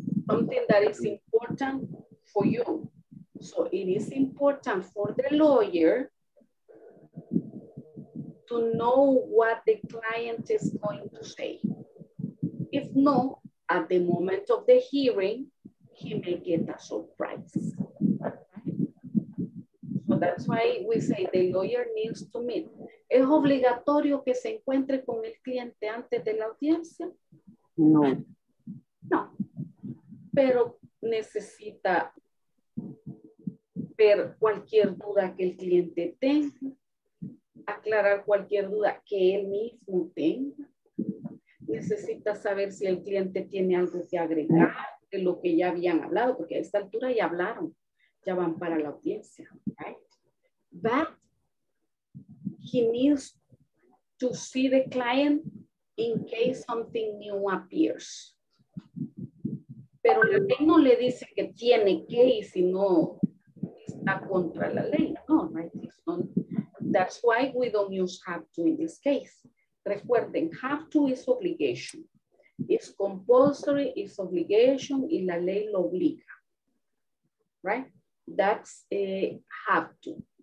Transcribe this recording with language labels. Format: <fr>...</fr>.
<en>Something that is important for you. So it is important for the lawyer to know what the client is going to say. If not, at the moment of the hearing, he may get a surprise. So that's why we say the lawyer needs to meet.</en> <es>¿Es obligatorio que se encuentre con el cliente antes de la audiencia? No. No. Pero necesita ver cualquier duda que el cliente tenga, aclarar cualquier duda que él mismo tenga. Necesita saber si el cliente tiene algo que agregar de lo que ya habían hablado, porque a esta altura ya hablaron, ya van para la audiencia.</es> <en>Right? But he needs to see the client in case something new appears.</en> <es>Pero la ley no le dice que tiene que y si no está contra la ley.</es> <en>No, right? So that's why we don't use have to in this case.</en> <es>Recuerden,</es> <en>have to is obligation. It's compulsory, it's obligation,</en> <es>y la ley lo obliga.</es> <en>Right? That's a have to.</en>